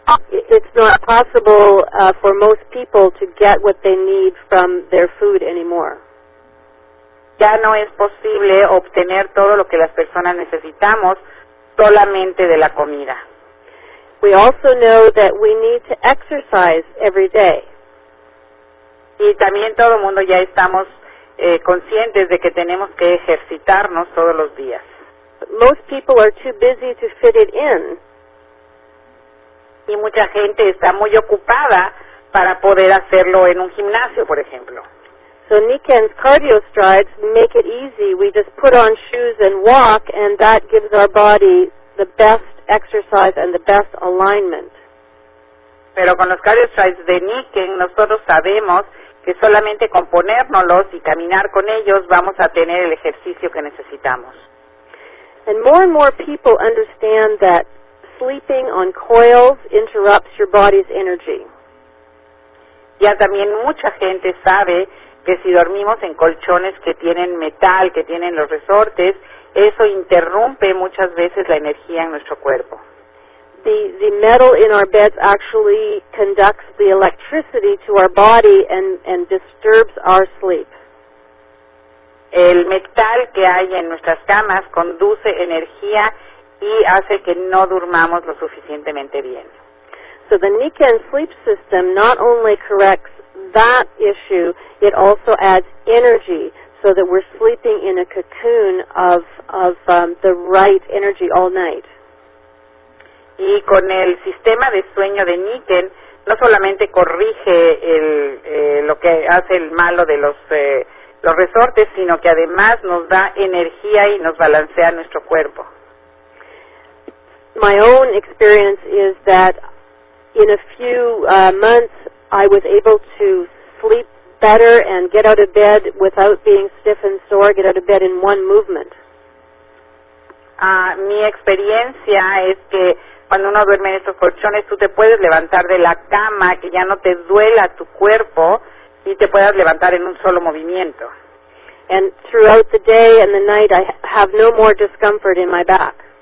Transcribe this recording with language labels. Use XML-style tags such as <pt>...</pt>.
<en>It's not possible for most people to get what they need from their food anymore.</en> <es>Ya no es posible obtener todo lo que las personas necesitamos solamente de la comida.</es> <en>We also know that we need to exercise every day.</en> <es>Y también todo el mundo ya estamos conscientes de que tenemos que ejercitarnos todos los días.</es> <en>But most people are too busy to fit it in.</en> <es>Y mucha gente está muy ocupada para poder hacerlo en un gimnasio, por ejemplo.</es> <en>So NECAN's cardio strides make it easy. We just put on shoes and walk, and that gives our body the best exercise and the best alignment.</en> <es>Pero con los cardio strides de NECAN, nosotros sabemos que solamente con ponérnoslos y caminar con ellos vamos a tener el ejercicio que necesitamos.</es> <en>And more people understand that sleeping on coils interrupts your body's energy.</en> <es>Ya también mucha gente sabe que si dormimos en colchones que tienen metal, que tienen los resortes, eso interrumpe muchas veces la energía en nuestro cuerpo.</es> <en>The metal in our beds actually conducts the electricity to our body and disturbs our sleep.</en> <es>El metal que hay en nuestras camas conduce energía y hace que no durmamos lo suficientemente bien.</es> <en>So the Niken sleep system not only corrects that issue, it also adds energy so that we're sleeping in a cocoon of the right energy all night.</en> <es>Y con el sistema de sueño de Niken, no solamente corrige lo que hace el malo de los resortes, sino que además nos da energía y nos balancea nuestro cuerpo.</es> <en>My own experience is that in a few months, I was able to sleep better and get out of bed without being stiff and sore, get out of bed in one movement.</en> <es>Mi experiencia es que cuando uno duerme en estos colchones, tú te puedes levantar de la cama, que ya no te duela tu cuerpo, y te puedas levantar en un solo movimiento.</es> <en>And throughout the day and the night, I have no more discomfort in my back.</en>